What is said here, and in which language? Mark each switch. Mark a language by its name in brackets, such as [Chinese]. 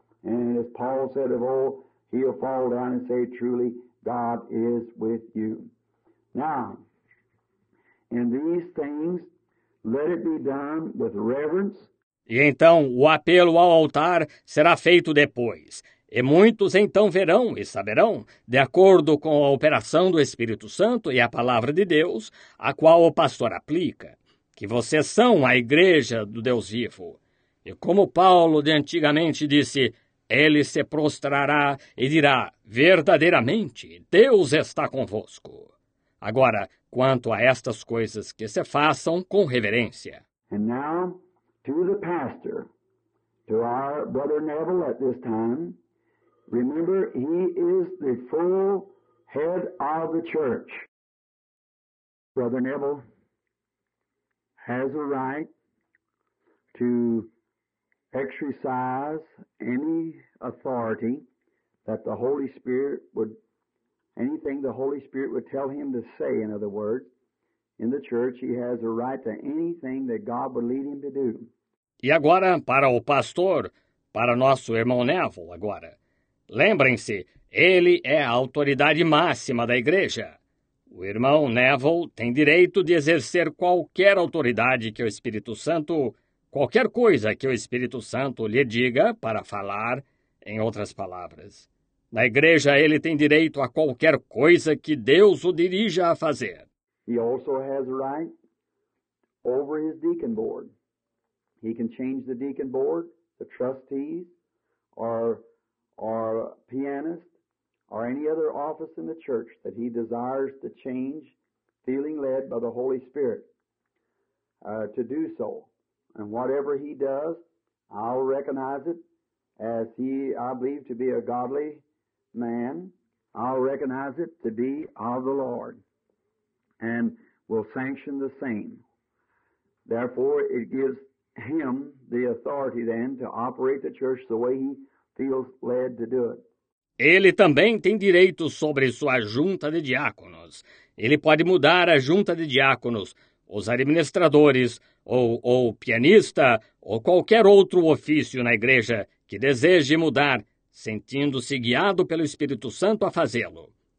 [English] And as Paul said of old, he'll fall down and say, truly, God is with you. Now, in these things, let it be done with reverence. [Portuguese] E então o apelo ao altar será feito depois, e muitos então verão e saberão, de acordo com a operação do Espírito Santo e a palavra de Deus, a qual o pastor aplica, que vocês são a igreja do Deus vivo. E como Paulo de antigamente disse, ele se prostrará e dirá, verdadeiramente, Deus está convosco. Agora, quanto a estas coisas, que se façam com reverência. [English] And now, to the pastor, to our brother Neville at this time, remember, he is the full head of the church. Brother Neville has a right to exercise any authority that the Holy Spirit would, anything the Holy Spirit would tell him to say, in other words, in the church, he has a right to anything that God would lead him to do. [Portuguese] E agora, para o pastor, para nosso irmão Neville, agora. Lembrem-se, ele é a autoridade máxima da igreja. O irmão Neville tem direito de exercer qualquer autoridade que o Espírito Santo, qualquer coisa que o Espírito Santo lhe diga para falar, em outras palavras. Na igreja, ele tem direito a qualquer coisa que Deus o dirija a fazer. [English] He also has a right over his deacon board. He can change the deacon board, the trustees, or pianist, or any other office in the church that he desires to change, feeling led by the Holy Spirit to do so. And whatever he does, I'll recognize it as he, I believe, to be a godly man. I'll recognize it to be of the Lord and will sanction the same. Therefore, it gives him the authority then to operate the church the way he feels led to do it. [Portuguese] Ele também tem direito sobre sua junta de diáconos. Ele pode mudar a junta de diáconos, os administradores, ou pianista, ou qualquer outro ofício na igreja que deseje mudar, sentindo-se guiado pelo Espírito Santo a fazê-lo.